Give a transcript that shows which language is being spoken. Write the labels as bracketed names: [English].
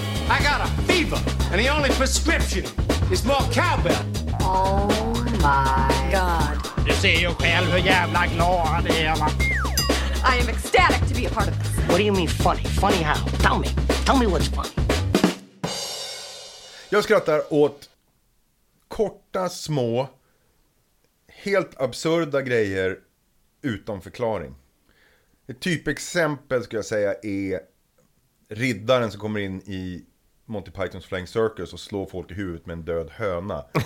[English] I got a fever, and the only prescription is more cowbell. Oh my God. [Swedish] Du ser ju själv hur jävla glad det är. [English] I am ecstatic to be a part of this. What do you mean funny? Funny how? Tell me what's funny. [Swedish] Jag skrattar åt korta, små, helt absurda grejer utan förklaring. Ett typexempel skulle jag säga är riddaren som kommer in i Monty Pythons Flying Circus och slår folk i huvudet med en död höna.